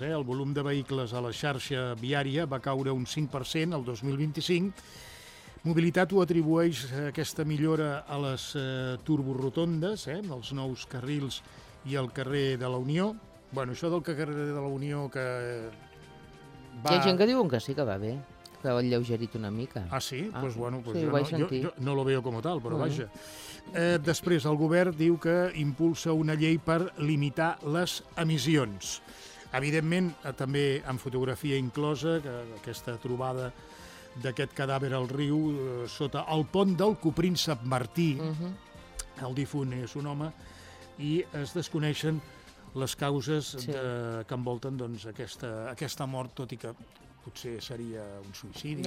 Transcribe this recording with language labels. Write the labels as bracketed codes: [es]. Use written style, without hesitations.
[ca] El volum de vehicles a la xarxa viària va caure un 5% el 2025. Mobilitat ho atribueix, aquesta millora, a les turborotondes, els nous carrils i el carrer de la Unió. Bueno, això del carrer de la Unió que va... Hi ha gent que diuen que sí, que va bé, que ho ha alleugerit una mica. Ah, sí? [es] Pues, bueno, pues sí, jo no lo veo como tal, però vaja. [ca] Després, el govern diu que impulsa una llei per limitar les emissions. Evidentment, també amb fotografia inclosa, aquesta trobada d'aquest cadàver al riu, sota el pont del Copríncep Martí, el difunt és un home, i es desconeixen les causes que envolten doncs, aquesta mort, tot i que potser seria un suïcidi...